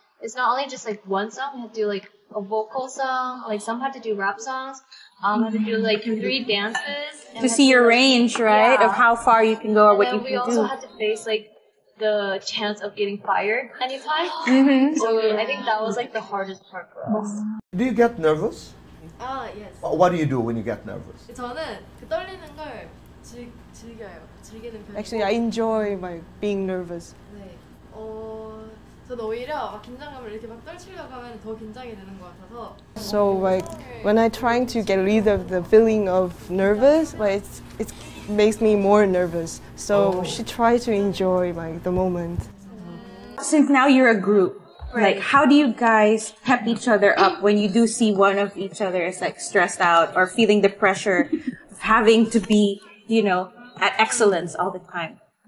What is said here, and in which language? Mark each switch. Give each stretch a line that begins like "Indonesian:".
English: It's not only just like one song, we have to do like a vocal song, like some have to do rap songs, have to do like three dances. To see your range, right? Yeah. Of how far you can go or what you can do. And we also had to face like the chance of getting fired anytime. Mm-hmm. So yeah. I think that was like the hardest part for us. Do you get nervous? Yes. What do you do when you get nervous?
Korean: 저는 그 떨리는 걸 즐겨요. 즐기는 편.
English: Actually, I enjoy my being nervous.
Korean: 네. 저는 오히려 막 긴장감을 이렇게 막 떨치려고 하면 더 긴장이 되는 것 같아서.
English: So like when I trying to get rid of the feeling of nervous, but like, it makes me more nervous. So she try to enjoy like the moment. Since now you're a group. Like, how do you guys pep each other up when you do see one of each other is like stressed out or feeling the pressure of having to be, you know, at excellence all the time?